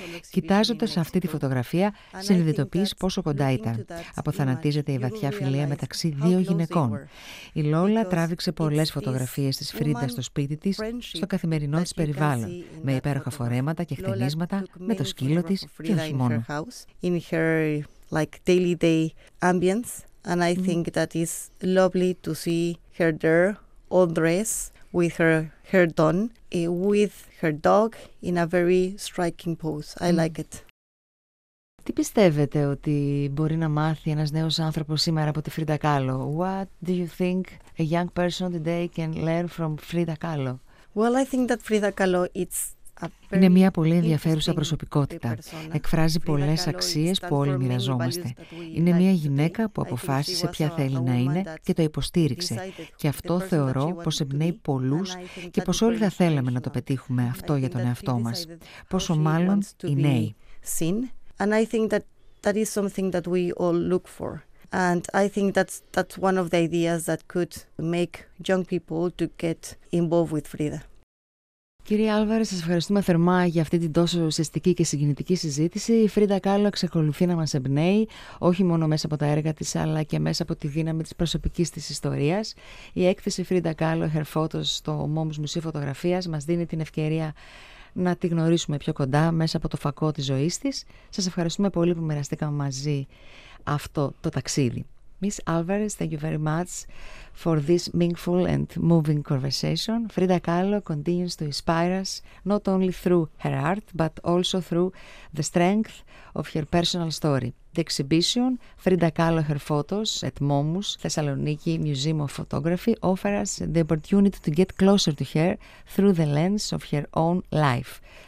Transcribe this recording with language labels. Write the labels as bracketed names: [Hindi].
[Greek] Κοιτάζοντας αυτή τη φωτογραφία, συνειδητοποιείς πόσο κοντά ήταν. Αποθανατίζεται η βαθιά φιλία μεταξύ δύο γυναικών. Η Lola τράβηξε πολλές φωτογραφίες της Φρίντα στο σπίτι της, στο καθημερινό της περιβάλλον, με υπέροχα φορέματα και χτενίσματα, με το σκύλο της και όχι μόνο. [English] In her, like, daily day ambience And I think that it's lovely to see her there, all dressed, with her hair done, with her dog, in a very striking pose. I like it. [Greek] Τι πιστεύετε ότι μπορεί να μάθει ένας νέος άνθρωπος σήμερα από τη Φρίντα Κάλο? [English] What do you think a young person today can learn from Frida Kahlo? Well, I think that Frida Kahlo is [Greek] Είναι μια πολύ ενδιαφέρουσα προσωπικότητα. Εκφράζει πολλές αξίες που όλοι μοιραζόμαστε. Είναι μια γυναίκα που αποφάσισε ποια θέλει να είναι και το υποστήριξε. Και αυτό θεωρώ πως εμπνέει πολλούς και πως όλοι θα θέλαμε να το πετύχουμε αυτό για τον εαυτό μας. Πόσο μάλλον οι νέοι. [English] And I think that that is something that we all look for. And I think that's one of the ideas that could make young people to get involved with Frida. [Greek] Κύριε Άλβαρες, σας ευχαριστούμε θερμά για αυτή την τόσο ουσιαστική και συγκινητική συζήτηση. Η Φρίντα Κάλο εξακολουθεί να μας εμπνέει, όχι μόνο μέσα από τα έργα της, αλλά και μέσα από τη δύναμη της προσωπικής της ιστορίας. Η έκθεση Frida Kahlo, Her Photos, στο MOMS Μουσείο Φωτογραφίας, μας δίνει την ευκαιρία να τη γνωρίσουμε πιο κοντά μέσα από το φακό της ζωής της. Σας ευχαριστούμε πολύ που μοιραστήκαμε μαζί αυτό το ταξίδι. [English] Miss Alvarez, thank you very much for this meaningful and moving conversation. Frida Kahlo continues to inspire us not only through her art, but also through the strength of her personal story. The exhibition, Frida Kahlo, Her Photos, at MOMUS, Thessaloniki Museum of Photography, offers us the opportunity to get closer to her through the lens of her own life.